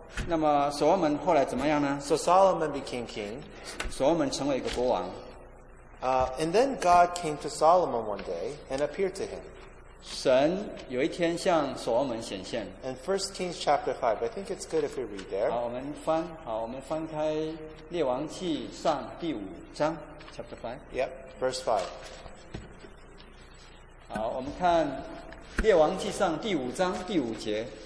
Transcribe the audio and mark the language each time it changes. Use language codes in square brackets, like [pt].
[zh] 那么所罗门后来怎么样呢？ [en] So Solomon became king. [zh] 所罗门成为一个国王。 [en] And then God came to Solomon one day and appeared to him. [zh] 神有一天向所罗门显现。 [en] And 1 Kings chapter 5, I think it's good if we read there. [zh] 我们翻开列王记上第五章 , [en] chapter 5. Yep, verse 5. [zh] 好，我们看列王记上第五章第五节。